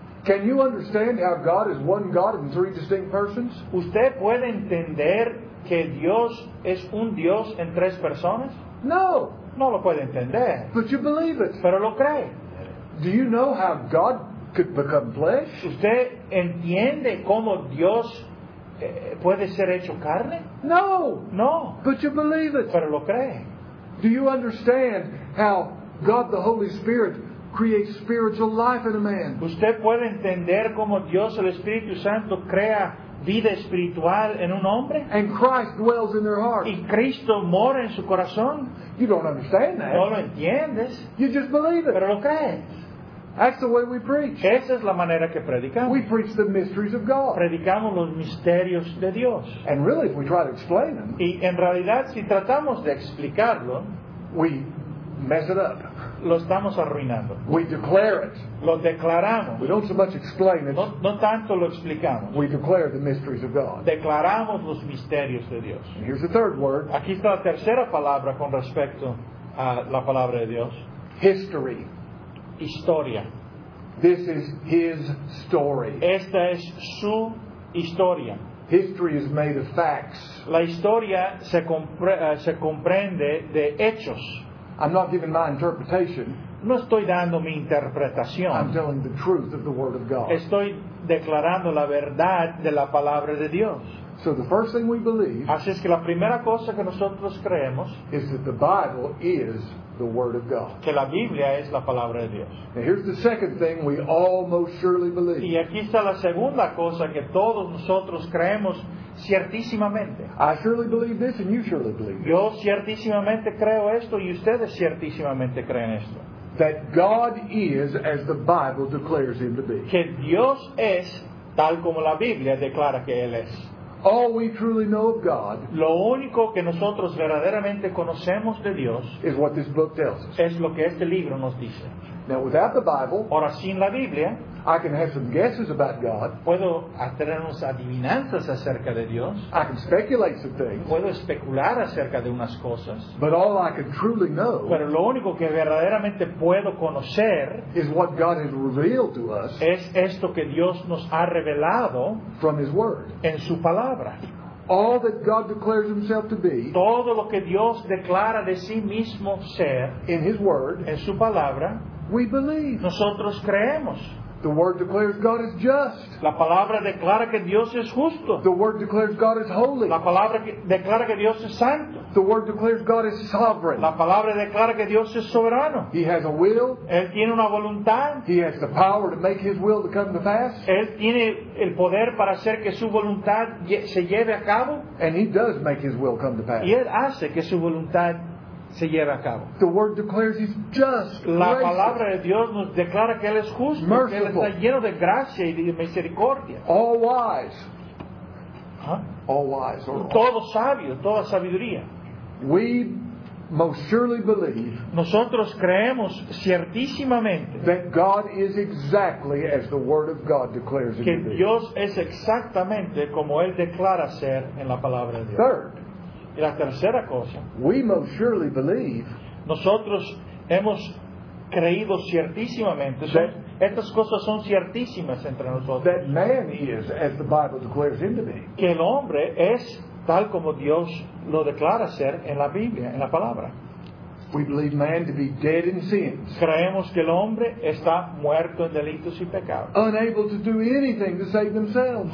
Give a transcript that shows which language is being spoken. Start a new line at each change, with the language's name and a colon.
English: Can you understand how God is one God in three distinct persons?
Spanish: ¿Usted puede entender que Dios es un Dios en tres personas?
English: No.
Spanish: No lo puede entender.
English: But you believe it.
Spanish: Pero lo cree.
English: Do you know how God could become flesh?
Spanish: ¿Usted entiende cómo Dios puede ser hecho carne?
English: No.
Spanish: No.
English: But you believe it.
Spanish: Pero lo cree.
English: Do you understand how God the Holy Spirit creates spiritual life in a man?
Spanish: ¿Usted puede entender cómo Dios el Espíritu Santo crea vida espiritual en un hombre?
English: And Christ dwells in their heart.
Spanish: ¿Y Cristo mora en su corazón?
English: You don't understand that.
Spanish: No lo entiendes.
English: You just believe it.
Spanish: Pero lo crees.
English: That's the way we preach.
Spanish: Esa es la manera que predicamos.
English: We preach the mysteries of God.
Spanish: Predicamos los misterios de Dios.
English: And really, if we try to explain them,
Spanish: y en realidad, si tratamos de explicarlo,
English: we mess it up.
Spanish: Lo estamos arruinando.
English: We declare it.
Spanish: Lo declaramos.
English: We don't so much explain it.
Spanish: No tanto lo explicamos.
English: We declare the mysteries of God.
Spanish: Declaramos los misterios de Dios.
English: And here's the third word.
Spanish: Aquí está la tercera palabra con respecto a la palabra de Dios.
English: History.
Spanish: Historia.
English: This is his story.
Spanish: Esta es su historia.
English: History is made of facts.
Spanish: La historia se comprende de hechos.
English: I'm not giving my interpretation.
Spanish: No estoy dando mi interpretación.
English: I'm telling the truth of the word of God.
Spanish: Estoy declarando la verdad de la palabra de Dios.
English: So the first thing we believe,
Spanish: así es que la primera cosa que nosotros creemos,
English: is that the Bible is the word of God.
Spanish: Que la Biblia es la palabra de Dios.
English: Now here's the second thing we almost surely believe.
Spanish: Y aquí está la segunda cosa que todos nosotros creemos ciertísimamente.
English: I surely believe this and you surely believe this.
Spanish: Yo ciertísimamente creo esto y ustedes ciertísimamente creen esto.
English: That God is as the Bible declares him to be.
Spanish: Que Dios es tal como la Biblia declara que él es.
English: All we truly know of God,
Spanish: lo único que nosotros verdaderamente conocemos de Dios,
English: is what this book tells us.
Spanish: Es lo que este libro nos dice.
English: Now, without the Bible,
Spanish: ahora sin la Biblia,
English: I can have some guesses about God.
Spanish: Puedo tener unas adivinanzas acerca de Dios.
English: I can speculate some things.
Spanish: Puedo especular acerca de unas cosas.
English: But all I can truly know,
Spanish: pero lo único que verdaderamente puedo conocer,
English: is what God has revealed to us.
Spanish: Es esto que Dios nos ha revelado
English: from his word.
Spanish: En su palabra.
English: All that God declares himself to be,
Spanish: todo lo que Dios declara de sí mismo ser,
English: in his word,
Spanish: en su palabra,
English: we believe.
Spanish: Nosotros creemos.
English: The word declares God is just.
Spanish: La palabra declara que Dios es justo.
English: The word declares God is holy.
Spanish: La palabra declara que Dios es santo.
English: The word declares God is sovereign.
Spanish: La palabra declara que Dios es soberano.
English: He has a will.
Spanish: Él tiene una voluntad.
English: He has the power to make his will to come to pass.
Spanish: Él tiene el poder para hacer que su voluntad se lleve a cabo.
English: And he does make his will come to pass.
Spanish: Y él hace que su voluntad se lleva a cabo.
English: The word declares he's just,
Spanish: la palabra de Dios nos declara que él es justo,
English: merciful,
Spanish: que él está lleno de gracia y de misericordia.
English: All wise. Huh? All wise. All
Spanish: todo sabio, toda sabiduría.
English: We most surely believe,
Spanish: nosotros creemos ciertísimamente,
English: that God is exactly as the word of God declares
Spanish: que Dios es exactamente como él declara ser en la palabra de Dios.
English: Third,
Spanish: y la tercera cosa,
English: we most surely believe,
Spanish: nosotros hemos creído ciertísimamente,
English: that,
Spanish: estas cosas son ciertísimas entre nosotros,
English: that man is, as the Bible declares him to be,
Spanish: que el hombre es tal como Dios lo declara ser en la Biblia, en la palabra.
English: We believe man to be dead in sins.
Spanish: Creemos que el hombre está muerto en delitos y pecados.
English: Unable to do anything to save themselves.